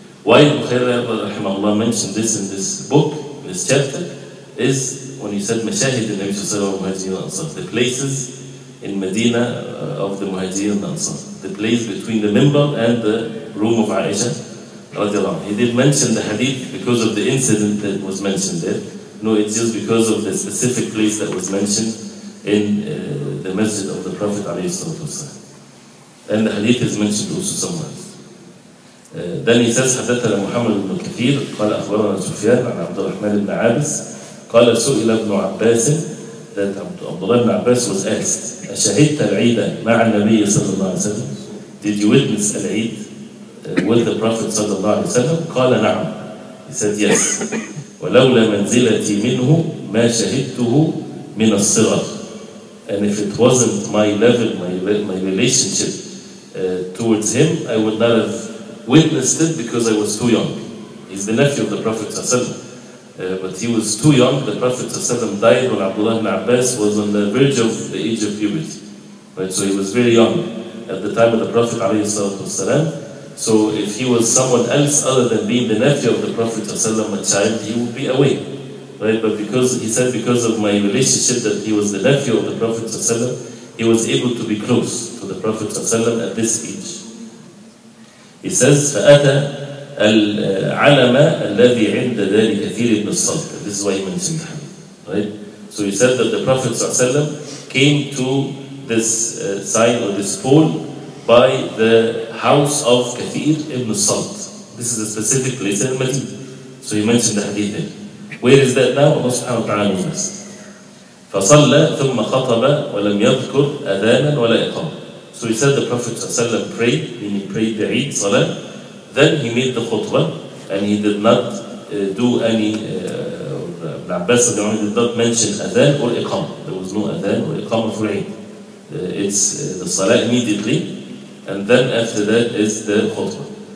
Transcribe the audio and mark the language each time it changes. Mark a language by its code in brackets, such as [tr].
[en] Why Abu Hurairah mentioned this in this book, this chapter, is when he said Mashahid in Nabi Sallallahu Alaihi Wasallam and Ansar, the places in Medina of the Muhajir and Ansar, the place between the Minbar and the room of Aisha radiallahu anha. He did mention the Hadith because of the incident that was mentioned there. No, it's just because of the specific place that was mentioned in the Masjid of the Prophet alayhi salatu wasalam. And the Hadith is mentioned also somewhere. [ar] Then he says, حدثنا محمد بن كثير قال أخبرنا سفيان عن عبد الرحمن بن عابس قال سئل ابن عباس, [en] that [ar] عبد الله بن عباس [en] was asked, [ar] أشهدت العيد مع النبي صلى الله عليه وسلم, [en] did you witness [ar] العيد [en] with the Prophet [ar] صلى الله عليه وسلم؟ قال نعم. [en] He said yes. [ar] ولولا منزلتي منه ما شهدته من الصغر. [en] And if it wasn't my level, my relationship towards him, I would not have witnessed it because I was too young. He's the nephew of the Prophet صلى الله عليه وسلم. But he was too young. The Prophet ﷺ died when Abdullah ibn Abbas was on the verge of the age of puberty. Right? So he was very young at the time of the Prophet ﷺ. So if he was someone else other than being the nephew of the Prophet ﷺ, a child, he would be away. Right? But because he said, because of my relationship that he was the nephew of the Prophet ﷺ, he was able to be close to the Prophet ﷺ at this age. [ar] He says, فَأَتَى العلم الذي عند ذلك كثير من الصلاة. [en] This is why he mentioned him, right? So he said that the Prophet ﷺ came to this sign or this pole by the house of كثير ابن الصلاة. This is a specific place in Medina. So he mentioned the hadith there. Where is that now? Allah subhanahu wa ta'ala knows. [ar] فصلى ثم خطب ولم يذكر أذانا ولا إقامة. [en] So he said the Prophet ﷺ prayed, meaning prayed the Eid salah. Then he made the khutbah, and he did not do any, Ibn Abbas did not mention adhan or iqam. There was no adhan or iqam for Eid. It's the salah immediately, and then after that is the khutbah.